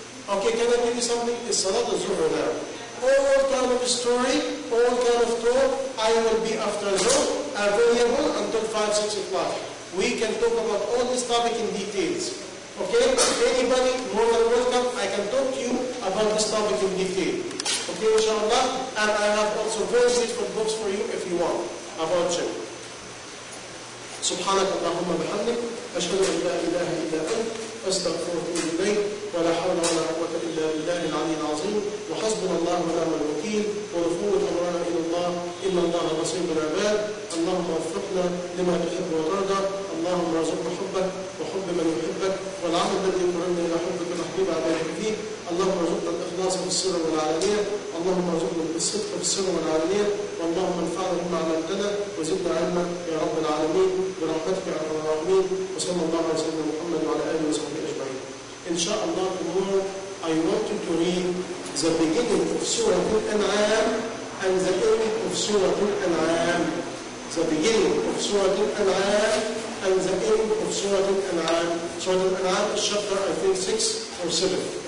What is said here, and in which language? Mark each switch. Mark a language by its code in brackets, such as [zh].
[en] Okay, can I give you something? It's Salat al-Zuhr now. All kind of story, all kind of talk, I will be after Zuhr available until 5, 6 o'clock. We can talk about all this topic in details. Okay, anybody more than welcome, I can talk to you about this topic in detail. Okay, inshallah, and I have also very beautiful books for you if you want. About you. [ar] سبحانك اللهم وبحمدك اشهد ان لا اله الا انت استغفرك واتوب ولا حول ولا قوه الا بالله العلي العظيم وحسبنا الله ونعم الوكيل ورفوت امرنا الى الله ان الله بصير بالعباد اللهم وفقنا لما تحب وترضى اللهم ارزقنا حبك وحب من يحبك والعمل الذي يقربنا الى حبك محبوب عبادك فيه اللهم ارزقنا الاخلاص في السر والعلانيه اللهم ارزقنا الصدق في السر والعلانيه اللهم انفعنا بما علمتنا وزدنا علما يا رب العالمين برحمتك يا ارحم الراحمين وصلى الله على سيدنا محمد وعلى اله وصحبه اجمعين. [en] ان شاء الله tomorrow I want you to read the beginning of Surah Al-An'am and the ending of Surah Al-An'am. The beginning of Surah Al-An'am and the ending of Surah Al-An'am. Surah Al-An'am is chapter, I think, 6 or 7.